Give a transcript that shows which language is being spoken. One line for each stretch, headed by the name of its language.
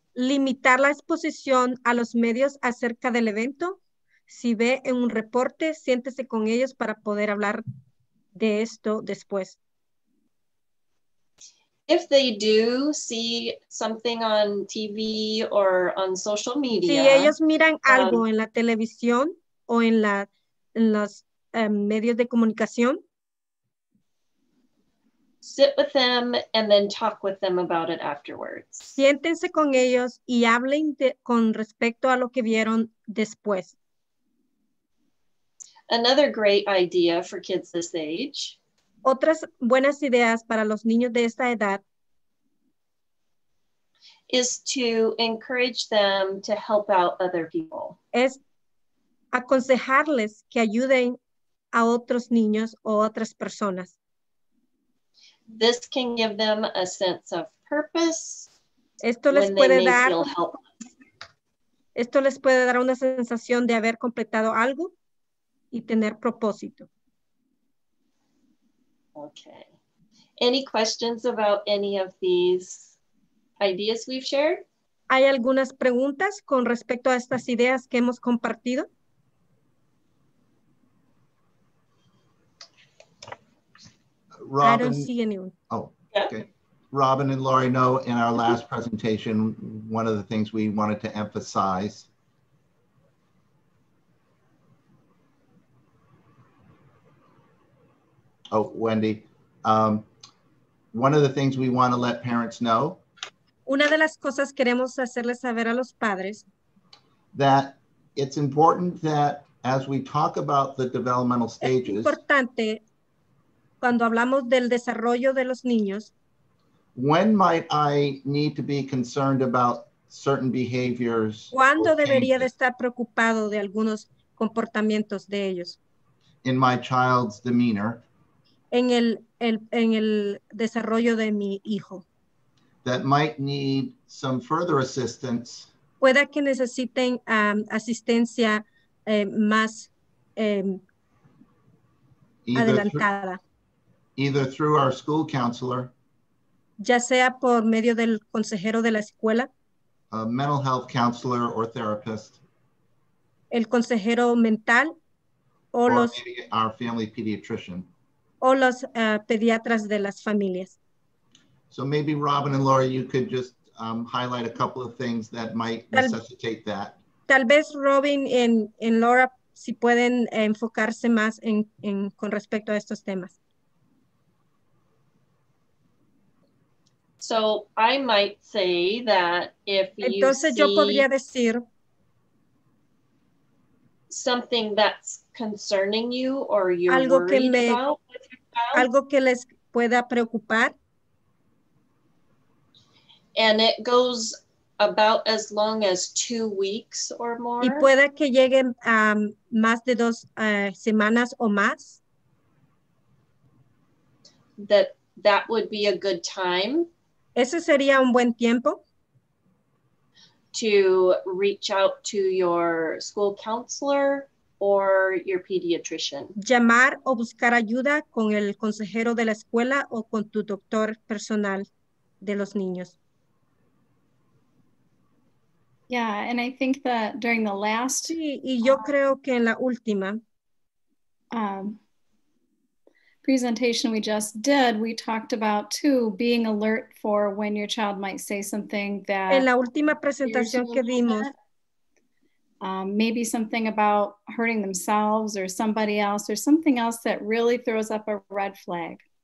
Spanish: Limitar la exposición a los medios acerca del evento. Si ve en un reporte, siéntese con ellos para poder hablar de esto después.
English: If they do see something on TV or on social media.
Spanish: Si ellos miran algo en la televisión o en los medios de comunicación.
English: Sit with them and then talk with them about it afterwards.
Spanish: Siéntense con ellos y hablen con respecto a lo que vieron después.
English: Another great idea for kids this age.
Spanish: Otras buenas ideas para los niños de esta edad.
English: Is to encourage them to help out other people.
Spanish: Es aconsejarles que ayuden a otros niños o otras personas.
English: This can give them a sense of purpose.
Spanish: Esto les puede dar. Esto les puede dar una sensación de haber completado algo. Y tener propósito.
English: Okay. Any questions about any of these ideas we've shared?
Spanish: ¿Hay algunas preguntas con respecto a estas ideas que hemos compartido?
English: Robin, I don't see anyone. Okay. Robin and Laurie, know in our last presentation, one of the things we wanted to emphasize. Oh, Wendy, one of the things we want to let parents know.
Spanish: Una de las cosas queremos hacerles saber a los padres.
English: That it's important that as we talk about the developmental stages.
Spanish: Es importante cuando hablamos del desarrollo de los niños.
English: When might I need to be concerned about certain behaviors?
Spanish: ¿Cuándo debería de estar preocupado de algunos comportamientos de ellos?
English: In my child's demeanor.
Spanish: En el desarrollo de mi hijo.
English: That might need some further assistance.
Spanish: pueda que necesiten asistencia más adelantada.
English: Either through our school counselor.
Spanish: Ya sea por medio del consejero de la escuela.
English: A mental health counselor or therapist.
Spanish: El consejero mental.
English: Our family pediatrician.
Spanish: O los pediatras de las familias.
English: So maybe Robin and Laura, you could just highlight a couple of things that might necessitate that.
Spanish: Tal vez Robin y Laura, si pueden enfocarse más en con respecto a estos temas.
English: So I might say that if you
Spanish: entonces
English: see
Spanish: yo podría decir
English: something that's concerning you or you're
Spanish: algo
English: worried
Spanish: que me,
English: about with your child,
Spanish: algo que les pueda preocupar.
English: And it goes about as long as 2 weeks or more.
Spanish: Y pueda que llegue más de dos semanas o más.
English: That would be a good time.
Spanish: Ese sería un buen tiempo.
English: To reach out to your school counselor or your pediatrician.
Spanish: Llamar o buscar ayuda con el consejero de la escuela o con tu doctor personal de los niños.
English: Yeah, and I think that during the last.
Spanish: Sí, y yo creo que en la última.
English: Presentation we just did, we talked about too being alert for when your child might say something that.
Spanish: En la última presentación que vimos.
English: Maybe something about hurting themselves or somebody else or something else that really throws up a red flag.